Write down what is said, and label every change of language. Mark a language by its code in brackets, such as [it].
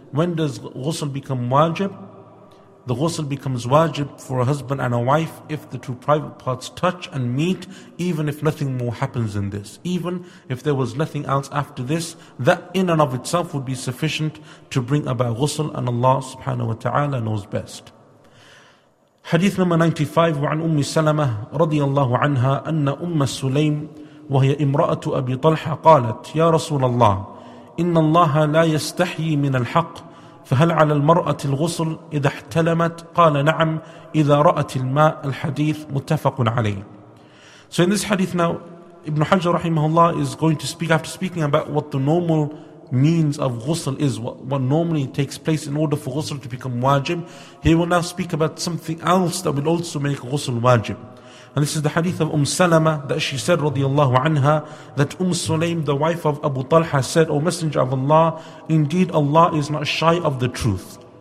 [en] when does ghusl become wajib? The ghusl becomes wajib for a husband and a wife if the two private parts touch and meet, even if nothing more happens than this. Even if there was nothing else after this, that in and of itself would be sufficient to bring about ghusl, and Allah subhanahu wa ta'ala knows best. Hadith number 95, [ar] وعن أم سلمة رضي الله عنها أن أم سليم وهي امرأة أبي طلحة قالت يا رسول الله إن الله لا يستحي من الحق فهل على المرأة الغسل إذا احتلمت قال نعم إذا رأت الماء الحديث متفق عليه. [en] So in this hadith now, Ibn Hajar rahimahullah is going to speak after speaking about what the normal means of ghusl is, what normally takes place in order for ghusl to become wajib. He will now speak about something else that will also make ghusl wajib. And this is the hadith of Salama, that she said, radiallahu anha, that Sulaim, the wife of Abu Talha, said, O Messenger of Allah, indeed Allah is not shy of the truth.